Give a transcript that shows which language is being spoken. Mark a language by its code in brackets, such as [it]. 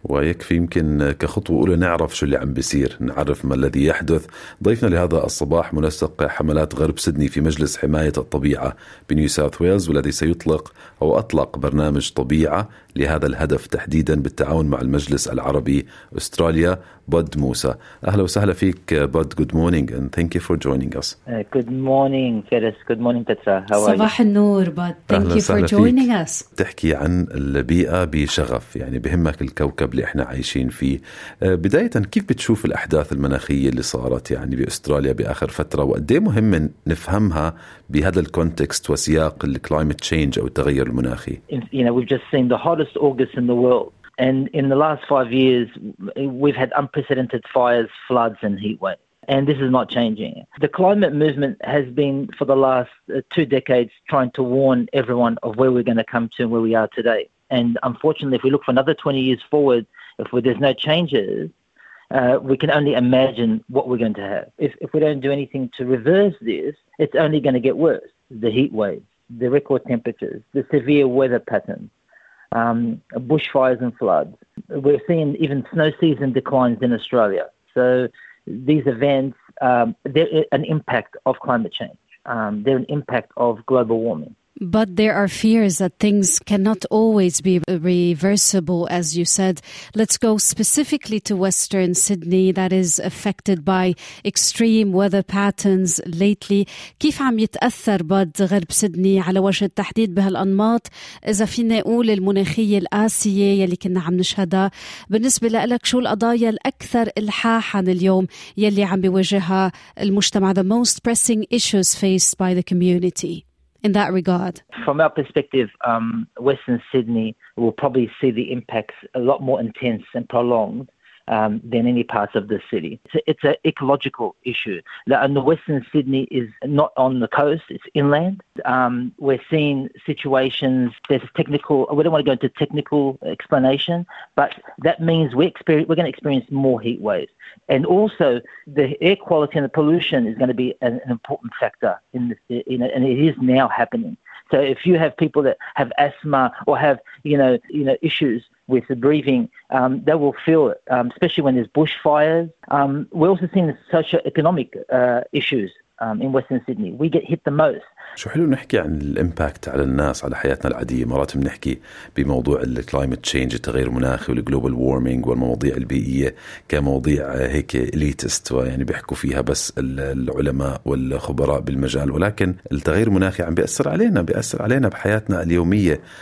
[ar] ويكفي يمكن كخطوة أولى نعرف شو اللي عم بيصير، نعرف ما الذي يحدث. ضيفنا لهذا الصباح منسق حملات غرب سيدني في مجلس حماية الطبيعة بنيو ساوث ويلز، والذي سيطلق أو أطلق برنامج طبيعة لهذا الهدف تحديدا بالتعاون مع المجلس العربي أستراليا، بود موسى. أهلا وسهلا فيك بود، [en] good morning and thank you for joining us. Good morning Ferris, good morning Petra. How are you? [ar] صباح النور بود. [en] Thank you for joining us. [ar] تحكي عن البيئة بشغف، يعني بهمك الكوكب اللي احنا عايشين فيه. بداية كيف بتشوف الأحداث المناخية اللي صارت يعني بأستراليا بآخر فترة، وقدي مهم نفهمها بهذا الكونتكست وسياق climate change أو التغير المناخي؟ [en] We've just seen the hottest August in the world. And in the last 5 years, we've had unprecedented fires, floods, and heat waves. And this is not changing. The climate movement has been, for the last 2 decades, trying to warn everyone of where we're going to come to and where we are today. And unfortunately, if we look for another 20 years forward, there's no changes, we can only imagine what we're going to have. If we don't do anything to reverse this, it's only going to get worse. The heat waves, the record temperatures, the severe weather patterns. Bushfires and floods. We're seeing even snow season declines in Australia. So these events, they're an impact of climate change. They're an impact of global warming. But there are fears that things cannot always be reversible, as you said. Let's go specifically to Western Sydney, that is affected by extreme weather patterns lately. [ar] كيف عم يتأثر بود غرب سيدني على وجه التحديد بهالأنماط؟ إذا فينا نقول المناخية القاسية يلي كنا عم نشهدها، بالنسبة لك شو القضايا الأكثر إلحاحا اليوم يلي عم بيواجهها المجتمع؟ [en] The most pressing issues faced by the community. In that regard, from our perspective, Western Sydney will probably see the impacts a lot more intense and prolonged than any parts of the city. So it's an ecological issue. And Western Sydney is not on the coast, it's inland. We're seeing situations, there's technical, we don't want to go into technical explanation, but that means we're going to experience more heat waves. And also, the air quality and the pollution is going to be an important factor, and it is now happening. So if you have people that have asthma or have, you know, issues with the breathing, they will feel it, especially when there's bushfires. We're also seeing the socioeconomic issues in Western Sydney. We get hit the most. [ar] شو حلو نحكي عن الامباكت على الناس على حياتنا العادية. مرات بنحكي بموضوع الكلايمت تشينج التغير المناخي والجلوبال وورمينج والمواضيع البيئية كمواضيع هيك إليتست يعني بيحكوا فيها بس العلماء والخبراء بالمجال, ولكن التغير المناخي عم بيأثر علينا, بيأثر علينا بحياتنا اليومية.